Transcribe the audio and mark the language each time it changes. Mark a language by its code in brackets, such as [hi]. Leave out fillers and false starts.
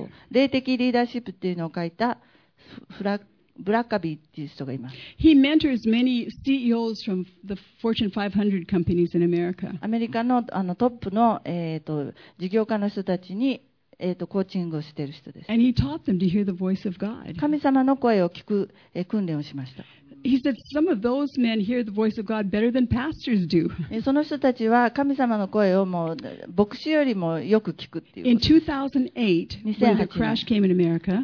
[ja] 霊的リーダーシップっていうのを書いたブラッカビーっていう人がいます。 [en] He mentors many CEOs from the Fortune 500 companies in America. [ja] アメリカの、トップの、事業家の人たちに、コーチングをしている人です。 [en] And he taught them to hear the voice of God. [ja] 神様の声を聞く、訓練をしました。 [en] He said some of those men hear the voice of God better than pastors do. [ja] その人たちは神様の声をもう牧師よりもよく聞くっていう。 [en] In 2008, when the crash came in America,